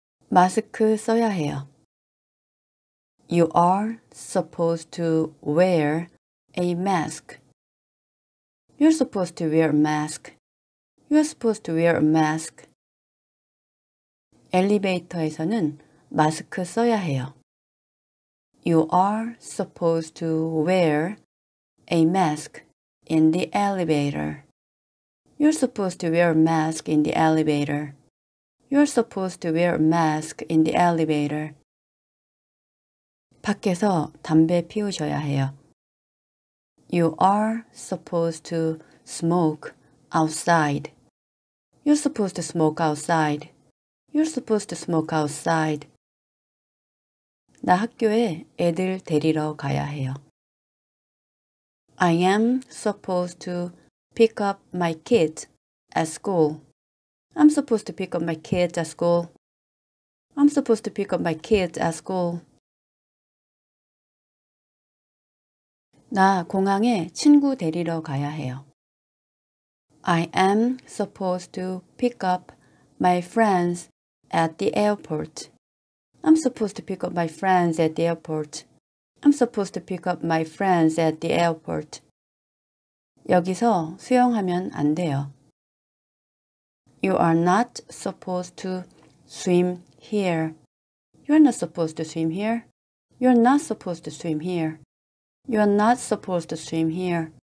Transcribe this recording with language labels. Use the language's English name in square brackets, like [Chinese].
[Korean] 마스크 써야 해요. [English] You are supposed to wear a mask. You're supposed to wear a mask. You're supposed to wear a mask. [Korean] 엘리베이터에서는 마스크 써야 해요. [English] You are supposed to wear a mask in the elevator. You're supposed to wear a mask in the elevator. You're supposed to wear a mask in the elevator. [Korean] 밖에서 담배 피우셔야 해요. [English] You are supposed to smoke outside. You're supposed to smoke outside. You're supposed to smoke outside. [Korean] 나 학교에 애들 데리러 가야 해요. [English] I am supposed to pick up my kids at school. I'm supposed to pick up my kids at school. I'm supposed to pick up my kids at school. [Korean] 나 공항에 친구 데리러 가야 해요. [English] I am supposed to pick up my friends at the airport. I'm supposed to pick up my friends at the airport. I'm supposed to pick up my friends at the airport. [Korean] 여기서 수영하면 안 돼요. [English] You are not supposed to swim here. You're not supposed to swim here. You're not supposed to swim here. You're not supposed to swim here.